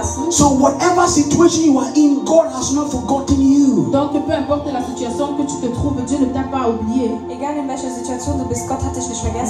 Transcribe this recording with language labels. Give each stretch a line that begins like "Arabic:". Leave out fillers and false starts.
English: So whatever situation you are in, God has not forgotten you.
French: Donc peu importe la situation que tu te trouves, Dieu ne t'a pas oublié.
German: Egal in welcher Situation du bist, Gott hat dich nicht vergessen.